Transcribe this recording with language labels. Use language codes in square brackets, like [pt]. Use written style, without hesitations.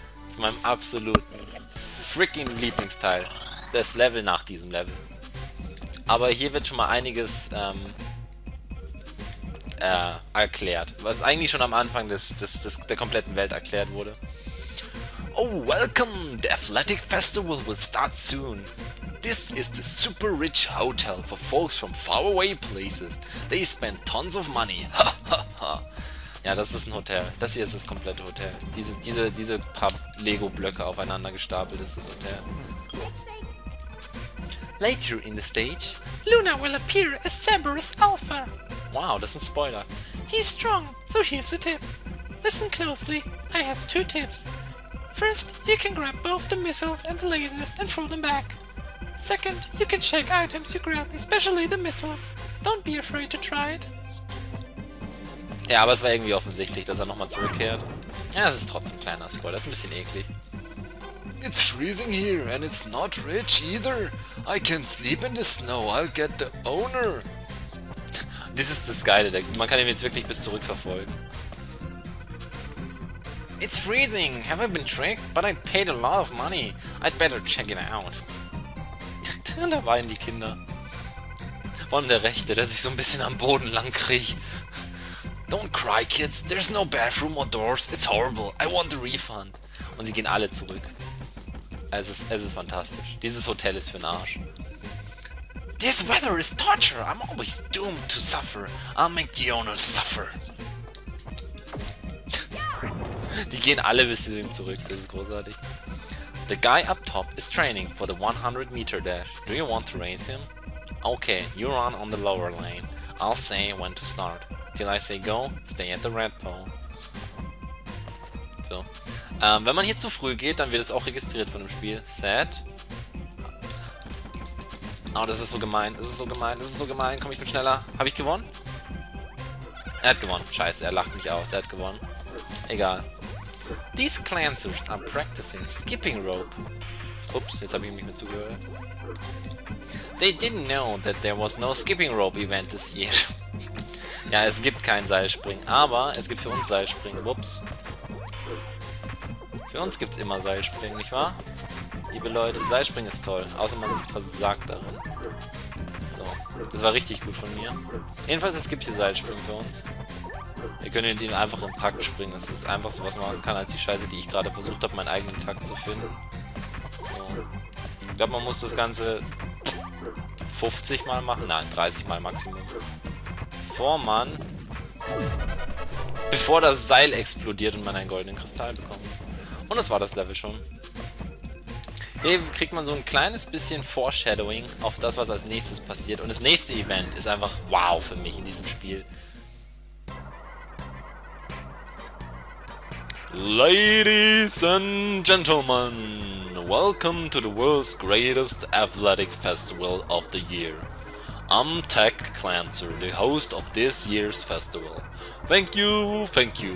[de] Zu meinem absoluten freaking Lieblingsteil. Das Level nach diesem Level. Aber hier wird schon mal einiges, erklärt. Was eigentlich schon am Anfang der kompletten Welt erklärt wurde. [en] Oh, welcome! The Athletic Festival will start soon. This is the super rich hotel for folks from far away places. They spend tons of money. [de] Ja, das ist ein Hotel. Das hier ist das komplette Hotel. Diese paar Lego-Blöcke aufeinander gestapelt ist das Hotel. [en] Later in the stage, Luna will appear as Cerberus Alpha. [de] Wow, das ist ein Spoiler. [en] He's strong, so here's a tip. Listen closely, I have two tips. First, you can grab both the missiles and the lasers and throw them back. Second, you can check items you grab, especially the missiles. Don't be afraid to try it. [de] Ja, aber es war irgendwie offensichtlich, dass er nochmal zurückkehrt. Ja, es ist trotzdem ein kleiner Spoiler, das ist ein bisschen eklig. [en] It's freezing here and it's not rich either. I can sleep in the snow, I'll get the owner. [de] Das ist das Geile, man kann ihn jetzt wirklich bis zurück verfolgen. [en] It's freezing, have I been tricked? But I paid a lot of money. I'd better check it out. [de] Da weinen die Kinder. Vor allem der Rechte, der sich so ein bisschen am Boden lang kriecht. [en] Don't cry, kids, there's no bathroom or doors. It's horrible, I want a refund. [de] Und sie gehen alle zurück. Es ist fantastisch. Dieses Hotel ist für den Arsch. [en] This weather is torture. I'm always doomed to suffer. I'll make the owner suffer. [de] Die gehen alle bis zu ihm zurück. Das ist großartig. [en] The guy up top is training for the 100 meter dash. Do you want to race him? Okay, you run on the lower lane. I'll say when to start. Till I say go, stay at the red pole. So. [de] Wenn man hier zu früh geht, dann wird es auch registriert von dem Spiel. [en] Set. [de] Oh, das ist so gemein. Das ist so gemein. Das ist so gemein. Komm, ich bin schneller. Habe ich gewonnen? Er hat gewonnen. Scheiße, er lacht mich aus. Er hat gewonnen. Egal. [en] These Clancers are practicing skipping rope. [de] Ups, jetzt habe ich mich nicht mehr zugehört. [en] They didn't know that there was no skipping rope event this year. [de] Ja, es gibt keinen Seilspringen, aber es gibt für uns Seilspringen. Ups. Für uns gibt es immer Seilspringen, nicht wahr? Liebe Leute, Seilspringen ist toll. Außer man versagt darin. So, das war richtig gut von mir. Jedenfalls, es gibt hier Seilspringen für uns. Wir können in den einfach im Takt springen. Das ist einfach so, was man machen kann, als die Scheiße, die ich gerade versucht habe, meinen eigenen Takt zu finden. So. Ich glaube, man muss das Ganze 50 Mal machen. Nein, 30 Mal Maximum. Bevor man... Bevor das Seil explodiert und man einen goldenen Kristall bekommt. Und das war das Level schon. Hier kriegt man so ein kleines bisschen Foreshadowing auf das, was als nächstes passiert. Und das nächste Event ist einfach wow für mich in diesem Spiel. [en] Ladies and Gentlemen, welcome to the world's greatest athletic festival of the year. I'm Tech Clancer, the host of this year's festival. Thank you, thank you.